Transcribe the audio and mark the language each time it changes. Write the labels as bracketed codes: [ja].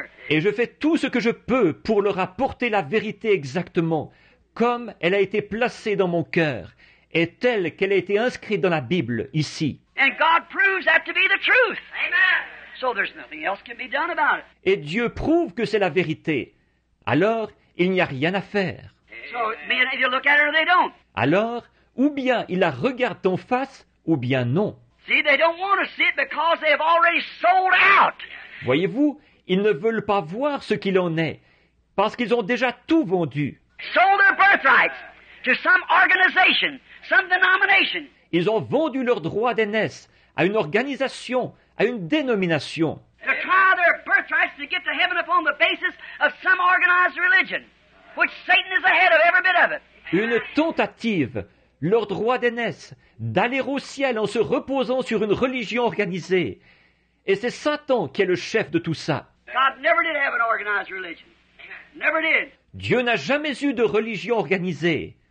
[fr] Et je fais tout ce que je peux pour leur apporter la vérité exactement comme elle a été placée dans mon cœur et telle qu'elle a été inscrite dans la Bible ici. [en] And God proves that to be the truth. Amen. So there's nothing else can be done about it. [fr] Et Dieu prouve que c'est la vérité. Alors, il n'y a rien à faire. [en] So, if you look at it or they don't. [fr] Alors, ou bien ils la regardent en face, ou bien non. [en] See, they don't want to see it because they have already sold out. [fr] Voyez-vous, ils ne veulent pas voir ce qu'il en est, parce qu'ils ont déjà tout vendu. [en] Sold their birthrights to some organization, some denomination. [fr] Ils ont vendu leur droit d'aînesse à une organisation, à une dénomination. [en] To try their birthrights to get to heaven upon the basis of some organized religion, which Satan is ahead of every bit of it. [fr] Une tentative, leur droit d'aînesse, d'aller au ciel en se reposant sur une religion organisée. Et c'est Satan qui est le chef de tout ça. [en] God never did have an organized religion. Never did. [fr] Dieu n'a jamais eu de religion organisée.